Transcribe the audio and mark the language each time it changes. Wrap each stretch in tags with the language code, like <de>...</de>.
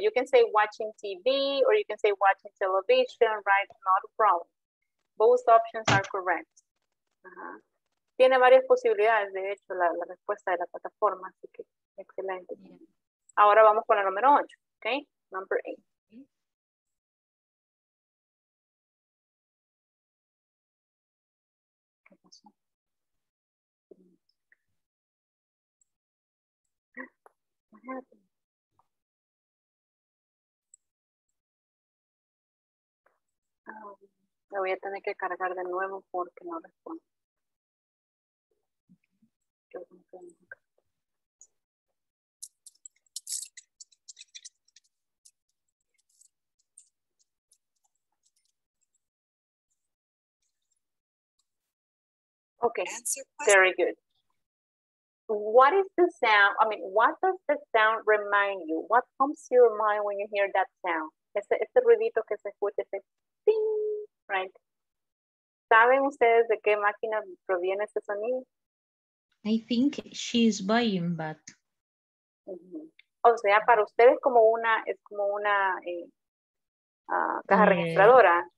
<en>You can say watching TV or you can say watching television, right? Not a problem. Both options are correct.</en> <es>Tiene varias posibilidades, de hecho, la respuesta de la plataforma, así que excelente. Yeah. Ahora vamos con la número 8, okay? Number 8. Me voy a tener que cargar de nuevo porque no responde.</es> <en>Okay, very good. What is the sound? I mean, what does the sound remind you? What comes to your mind when you hear that sound?</en> <es>Ese ruidito que se escucha, ese ping, right? ¿Saben ustedes de qué máquina proviene ese sonido?</es> <en>I think she's buying, but.</en> <es>Mm-hmm. O sea, para ustedes es como una caja registradora.</es>